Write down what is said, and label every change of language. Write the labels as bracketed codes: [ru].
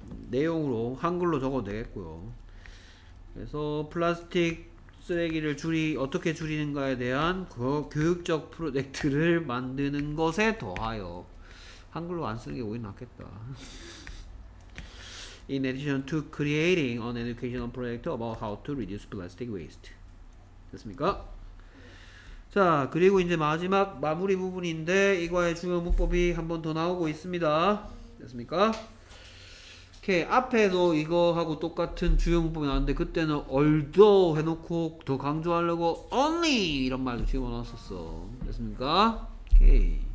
[ko] 내용으로 한글로 적어도 되겠고요. 그래서 플라스틱 쓰레기를 어떻게 줄이는가에 대한 교육적 프로젝트를 만드는 것에 더하여 한글로 안 쓰는 게 오히려 낫겠다. [en] In addition to creating an educational project about how to reduce plastic waste. [ko] 됐습니까? 자, 그리고 이제 마지막 마무리 부분인데 이거의 중요 문법이 한 번 더 나오고 있습니다. 됐습니까? 앞에도 이거하고 똑같은 주요 문법이 나왔는데 그때는 although 해놓고 더 강조하려고 only 이런 말도 집어넣었었어. 됐습니까? 오케이.